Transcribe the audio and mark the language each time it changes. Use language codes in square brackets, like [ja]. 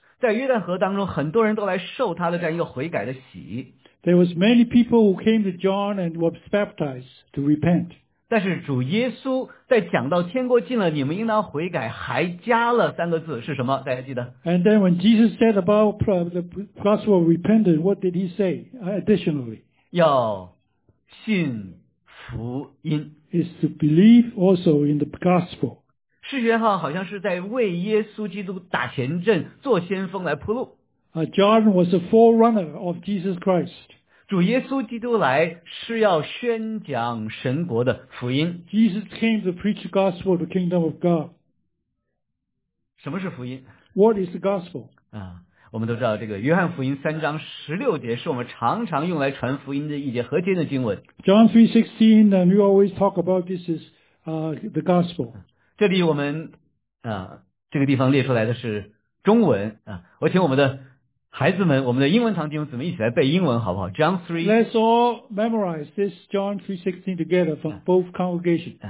[zh] 在约旦河当中，很多人都来受他的这样一个悔改的洗。 [en] There was many people who came to John and was baptized to repent. [zh] 但是主耶稣在讲到天国近了，你们应当悔改，还加了三个字，是什么？大家记得？ [en] And then when Jesus said about the gospel of repentance, what did he say additionally? [zh] 要信福音。 [en] Is to believe also in the gospel. [zh] 施洗约翰好像是在为耶稣基督打前阵，做先锋来铺路。 [en] John was a forerunner of Jesus Christ. [zh] 主耶稣基督来是要宣讲神国的福音。 [en] Jesus came to preach the gospel of the kingdom of God. [zh] 什么是福音？ [en] What is the gospel? [zh] 我们都知道这个约翰福音三章十六节是我们常常用来传福音的一节核心的经文。 [en] John 3:16, and we always talk about this is the gospel. [zh] 这里我们这个地方列出来的是中文我请我们的孩子们，我们的英文堂弟兄姊妹一起来背英文好不好 ？John 3. [en] Let's all memorize this John 3:16 together from both congregations.